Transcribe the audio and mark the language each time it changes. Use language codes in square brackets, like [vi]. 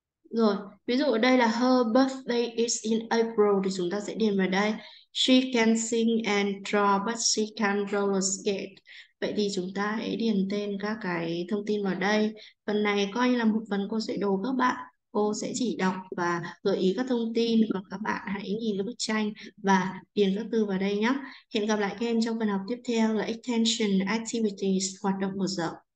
[vi] Rồi, ví dụ ở đây là [en] her birthday is in April [vi] thì chúng ta sẽ điền vào đây. [en] She can sing and draw but she can't roller skate. [vi] Vậy thì chúng ta hãy điền tên các cái thông tin vào đây. Phần này coi như là một phần cô sẽ đồ các bạn. Cô sẽ chỉ đọc và gợi ý các thông tin. Còn các bạn hãy nhìn bức tranh và điền các từ vào đây nhé. Hẹn gặp lại các em trong phần học tiếp theo là Extension Activities, hoạt động mở rộng.